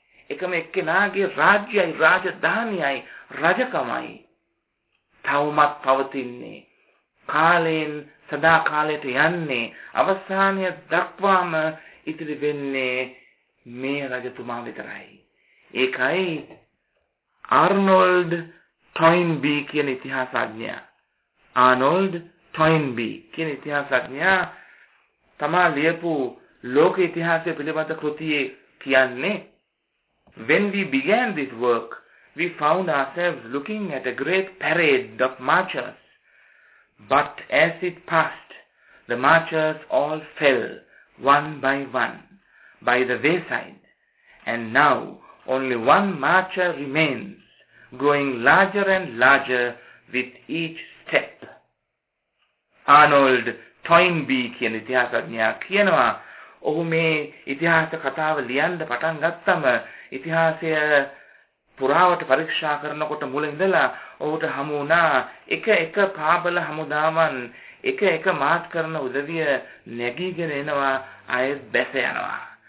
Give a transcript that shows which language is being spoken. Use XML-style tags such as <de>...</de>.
<si>එකම එක්කෙනාගේ රාජ්‍යයයි රාජධානියයි රජකමයි තවමත් පවතින්නේ. කාලයෙන් සදා කාලයට යන්නේ, අවසානය දක්වාම ඉතිරි වෙන්නේ මේ රජතුමා විතරයි. ඒකයි ආර්නෝල්ඩ් ටොයින්බී කියන ඉතිහාසඥයා. ආර්නෝල්ඩ් ටොයින්බී කියන ඉතිහාසඥයා තමා ලියපු ලෝක ඉතිහාසය පිළිබඳ කෘතියේ කියන්නේ,</si> <en>"When we began this work, we found ourselves looking at a great parade of marchers. But as it passed, the marchers all fell one by one by the wayside. And now only one marcher remains, growing larger and larger with each step."</en> <si>Arnold Toynbee කියන ඉතිහාසඥයා කියනවා, ඔහු මේ ඉතිහාස කතාව ලියන්න පටන් ගත්තම ඉතිහාසය පුරාවට පරීක්ෂා කරනකොට මුල ඉඳලා ඔහුට හමු වුණා එක එක පාබල හමුදාවන් එක එක මාත් කරන උදවිය නැගීගෙන එනවා, අය බැස යනවා.</si>